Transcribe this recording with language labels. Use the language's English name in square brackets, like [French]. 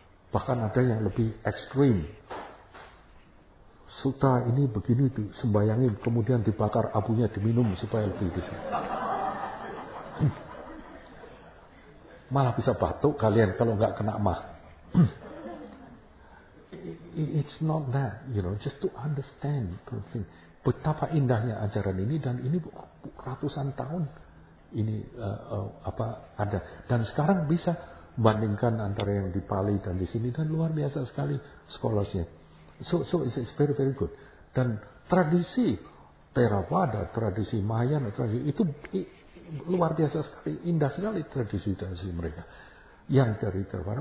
[Indonesian] Bahkan ada yang lebih ekstrim. Sutra ini begini disembayangin, kemudian dibakar abunya, diminum supaya lebih bisa. Malah bisa batuk kalian kalau enggak kena mah. [English] It's not that, you know, just to understand the thing. [Indonesian] Betapa indahnya ajaran ini, dan ini ratusan tahun ini apa ada, dan sekarang bisa bandingkan antara yang di Bali dan di sini, dan luar biasa sekali scholarsnya. [English] So it's very very good. [Indonesian] Dan tradisi Theravada, tradisi Mayan, tradisi itu luar biasa sekali, indah sekali tradisi mereka yang dari Theravada.